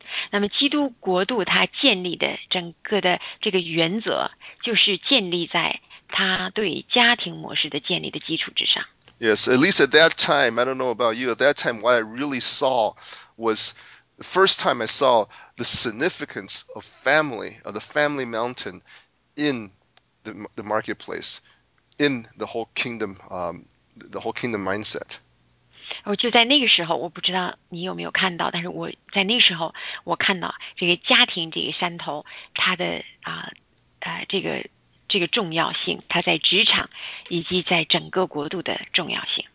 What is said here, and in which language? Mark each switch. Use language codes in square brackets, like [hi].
[zh] 那么基督国度它建立的整个的这个原则，就是建立在它对家庭模式的建立的基础之上。 [en] Yes, at least at that time, I don't know about you, at that time what I really saw was the first time I saw the significance of family, of the family mountain in the marketplace, in the whole kingdom, the whole kingdom mindset. [zh] 我就在那个时候，我不知道你有没有看到，但是我在那时候，我看到这个家庭这个山头，它的这个重要性，它在职场以及在整个国度的重要性。